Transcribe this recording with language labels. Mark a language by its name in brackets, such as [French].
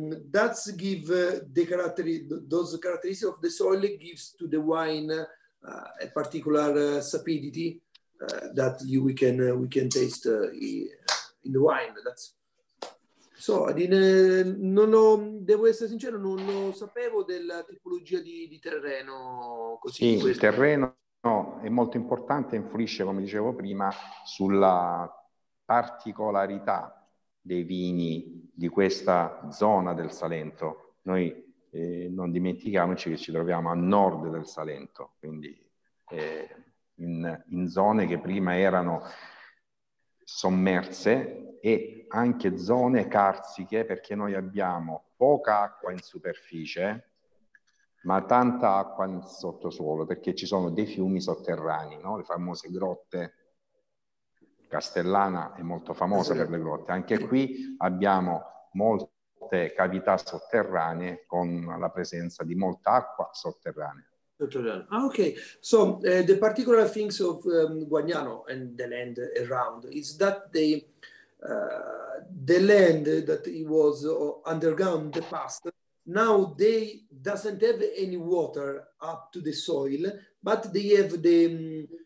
[English] That's give the characteristics of the soil gives to the wine a particular sapidity that we can taste in the wine. That's so. [Italian] Devo essere sincero, non lo sapevo della tipologia di terreno così. Sì, il terreno è molto importante, influisce, come dicevo prima, sulla particolarità dei vini di questa zona del Salento. Noi non dimentichiamoci che ci troviamo a nord del Salento, quindi in zone che prima erano sommerse e anche zone carsiche, perché noi abbiamo poca acqua in superficie ma tanta acqua nel sottosuolo, perché ci sono dei fiumi sotterranei, no? Le famose grotte. Castellana è molto famosa per le grotte. Anche qui abbiamo molte cavità sotterranee con la presenza di molta acqua sotterranea. [English] Ok, so the particular things of Guagnano and the land around is that the land that it was underground in the past, now they doesn't have any water up to the soil, but they have the